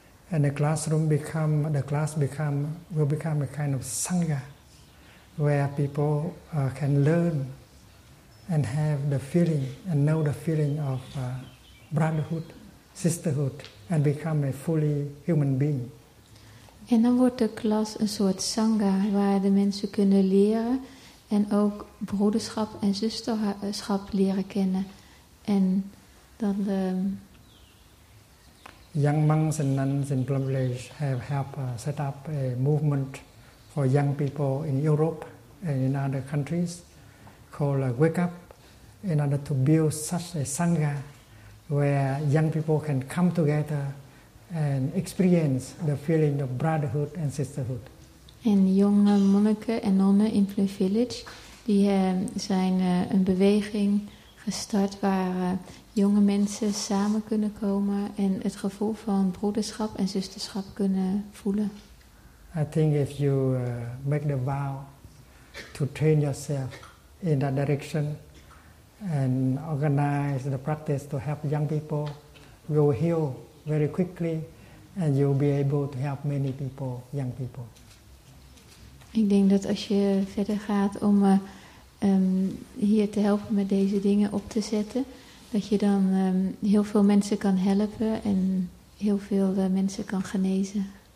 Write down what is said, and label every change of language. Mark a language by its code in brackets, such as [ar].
[en] And the class will become a kind of sangha where people can learn and have the feeling and know the feeling of brotherhood, sisterhood and become a fully human being. [nl] En dan wordt de klas een soort sangha waar de mensen kunnen leren en ook broederschap en zusterschap leren kennen. En dan de [en] young monks and nuns in Plumbridge have helped set up a movement for young people in Europe and in other countries called Wake Up, in order to build such a sangha where young people can come together and experience the feeling of brotherhood and sisterhood. [nl] En jonge monniken en nonnen in Plum Village, die zijn een beweging gestart waar jonge mensen samen kunnen komen en het gevoel van broederschap en zusterschap kunnen voelen. [en] I think if you make the vow to train yourself in that direction and organize the practice to help young people, you will heal very quickly and you will be able to help many people, young people. [nl] Ik denk dat als je verder gaat om hier te helpen met deze dingen op te zetten, dat je dan heel veel mensen kan helpen en heel veel mensen kan genezen.